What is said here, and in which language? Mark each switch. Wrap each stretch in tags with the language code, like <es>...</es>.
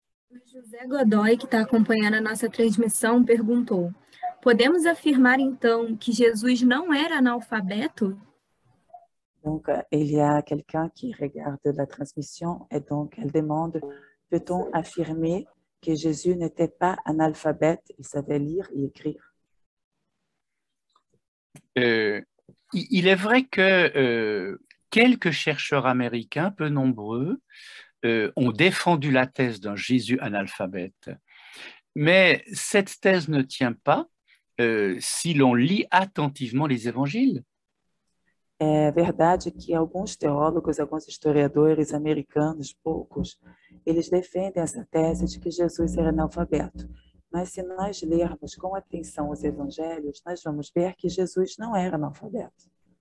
<pt>O José Godoy, que está acompanhando a nossa transmissão, perguntou: podemos afirmar então que Jesus não era analfabeto?</pt> <fr>Donc, il y a quelqu'un qui regarde la transmission et donc elle demande: peut-on affirmer que Jésus n'était pas analphabète, il savait lire et écrire? Il est vrai que quelques chercheurs américains, peu nombreux, ont défendu la thèse d'un Jésus analphabète. Mais cette thèse ne tient pas si l'on lit attentivement les évangiles.</fr> <pt>É verdade que alguns teólogos, alguns historiadores americanos, poucos, eles defendem essa tese de que Jesus era analfabeto. Mas se nós lermos com atenção os evangelhos, nós vamos ver que Jesus não era analfabeto.</pt>